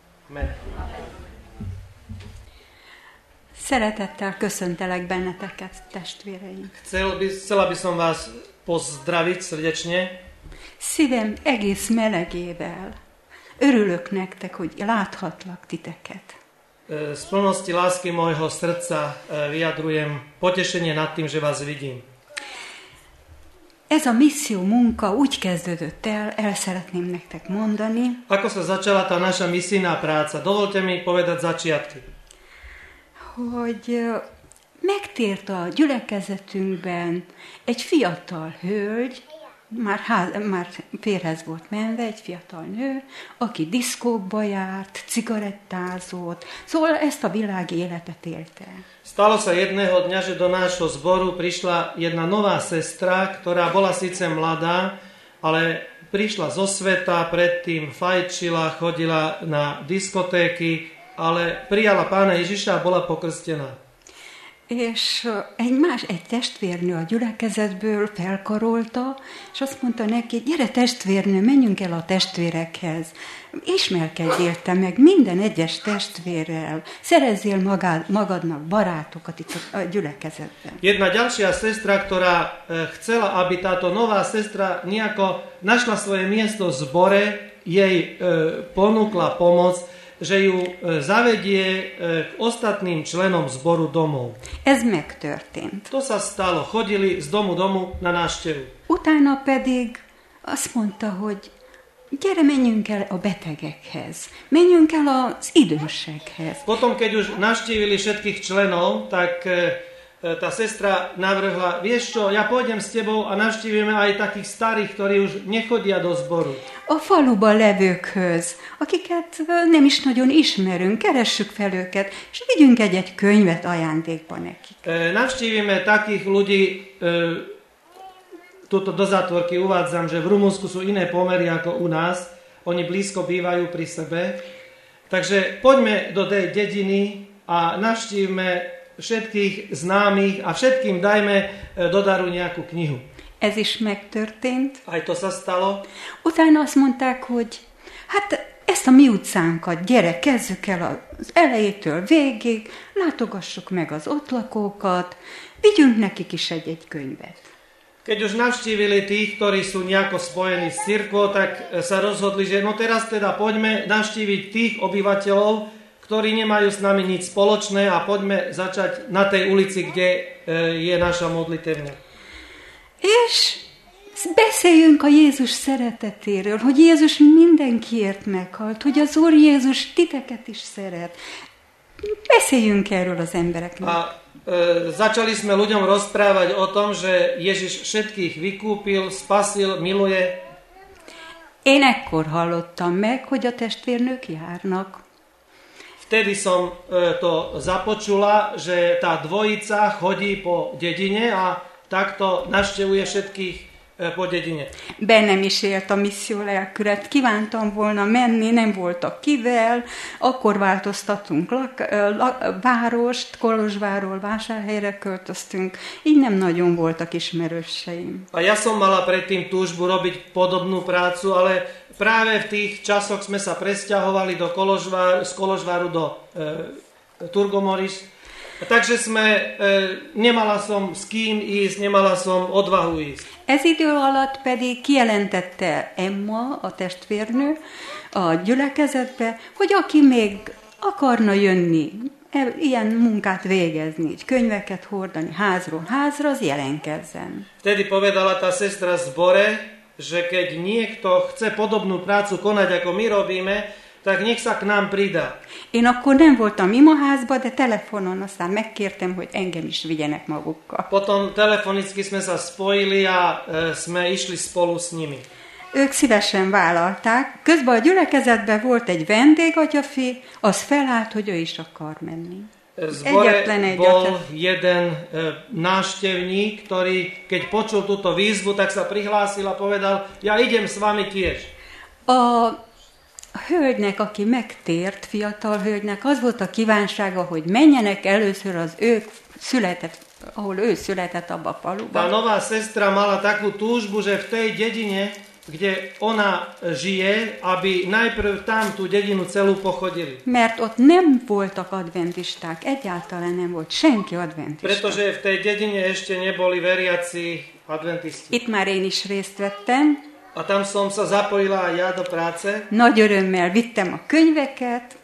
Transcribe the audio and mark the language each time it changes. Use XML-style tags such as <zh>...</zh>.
<hu>Amen. Szeretettel köszöntelek benneteket, testvéreim.</hu> <sk>Chcela by som vás pozdraviť srdečne.</sk> <hu>Szívem egész melegével. Örülök nektek, hogy láthatlak titeket.</hu> <sk>Z plnosti lásky môjho srdca vyjadrujem potešenie nad tým, že vás vidím.</sk> <hu>Ez a misszió munka úgy kezdődött el szeretném nektek mondani.</hu> <sk>Ako sa začala tá naša misijná práca? Dovolte mi povedať začiatky.</sk> <hu>Hogy megtért a gyülekezetünkben egy fiatal hölgy, már férhez volt menve, egy fiatal nő, aki diszkókba járt, cigarettázott, szóval ezt a világi életet élte.</hu> <sk>Stalo sa jedného dňa, že do nášho zboru prišla jedna nová sestra, ktorá bola síce mladá, ale prišla zo sveta, predtým fajčila, chodila na diskotéky, ale prijala Pána Ježiša a bola pokrstená.</sk> <hu>És egy testvérnő a gyülekezetből felkarolta, és azt mondta neki, gyere testvérnő, menjünk el a testvérekhez. Ismerkedjél te meg minden egyes testvérrel. Szerezzél magadnak barátokat itt a gyülekezetben.</hu> <sk>Jedna ďalšia sestra, ktorá chcela, aby táto nová sestra nejako našla svoje miesto v zbore, jej ponúkla pomoc, že ju zavedie k ostatným členom zboru domov.</sk> <hu>Ez megtörtént.</hu> <sk>To sa stalo. Chodili z domu domu na návštevu.</sk> <hu>Utána pedig azt mondta, hogy gyere, menjünk el a betegekhez. Menjünk el az idősekhez.</hu> <sk>Potom, keď už navštívili všetkých členov, tak tá sestra navrhla, vieš čo, ja pôjdem s tebou a navštívime aj takých starých, ktorí už nechodia do zboru.</sk> <hu>A faluba levőkhöz, akiket nem is nagyon ismerünk, keressük fel őket, és vigyünk egy-egy könyvet ajándékba nekik.</hu> <sk>Navštívime takých ľudí, túto do zátvorky uvádzam, že v Rumunsku sú iné pomery ako u nás, oni blízko bývajú pri sebe, takže poďme do tej dediny a navštívime všetkých známych a všetkým dajme do daru nejakú knihu.</sk> <hu>Ez is megtörtént.</hu> <sk>Aj to sa stalo.</sk> <hu>Utána azt mondták, hogy hát ezt a mi utcánkat, gyere, kezdjük el az elejétől végig, látogassuk meg az ott lakókat, vigyünk nekik is egy-egy könyvet.</hu> <sk>Keď už navštívili tých, ktorí sú nejako spojení s cirkvou, tak sa rozhodli, že no teraz teda poďme navštíviť tých obyvateľov, ktorí nemajú s nami nič spoločné a poďme začať na tej ulici, kde je naša modlitevňa.</sk> <hu>És beszéljünk a Jézus szeretetéről, hogy Jézus mindenkiért meghalt, hogy az Úr Jézus titeket is szeret. Beszéljünk erről az embereknek.</hu> <sk>A začali sme ľuďom rozprávať o tom, že Ježiš všetkých vykúpil, spasil, miluje.</sk> <hu>Én ekkor hallottam meg, hogy a testvérnők járnak.</hu> <sk>Vtedy som to započula, že tá dvojica chodí po dedine a takto navštevuje všetkých po dedine.</sk> <hu>Bennem is élt a misszió lelkület. Kívántam volna menni, nem voltak kivel. Akkor változtatunk várost, Kolozsvárról Vásárhelyre költöztünk. Így nem nagyon voltak ismerőseim.</hu> <sk>A ja som mala predtým túžbu robiť podobnú prácu, ale práve v tých časoch sme sa presťahovali do Kolozsvár, z Kolozsváru do Turgomoris. Takže sme, nemala som s kým ísť, nemala som odvahu ísť.</sk> <hu>Ez idő alatt pedig kijelentette Emma, a testvérnő, a gyülekezetbe, hogy aki még akarna jönni, ilyen munkát végezni, könyveket hordani házról házra, az jelenkezzen.</hu> <sk>Vtedy povedala tá sestra zbore, že keď niekto chce podobnú prácu konať, ako my robíme, tak nech sa k nám pridá.</sk> <hu>Én akkor nem voltam imaházba, de telefonon aztán megkértem, hogy engem is vigyenek magukkal.</hu> <sk>Potom telefonicky sme sa spojili a sme išli spolu s nimi.</sk> <hu>Ők szívesen vállalták. Közben a gyülekezetben volt egy vendégatyafi, az felállt, hogy ő is akar menni.</hu> <sk>zbore bol jeden návštevník, ktorý keď počul túto výzvu, tak sa prihlásil a povedal, ja idem s vami tiež.</sk> <hu>A hölgynek, aki megtért, fiatal hölgynek, az volt a kívánsága, hogy menjenek először az ő született, ahol ő született abba a faluba.</hu> <sk>Tá nová sestra mala takú túžbu, že v tej dedine, kde ona žije, aby najprv tam tú dedinu celú pochodili.</sk> <hu>Mert ott nem voltak adventisták, egyáltalán nem volt senki adventista.</hu> <sk>Pretože v tej dedine ešte neboli veriaci adventisti.</sk> <hu>Itt már én is részt vettem.</hu> <sk>A tam som sa zapojila aj ja do práce.</sk> <hu>Nagy örömmel vittem a könyveket.</hu>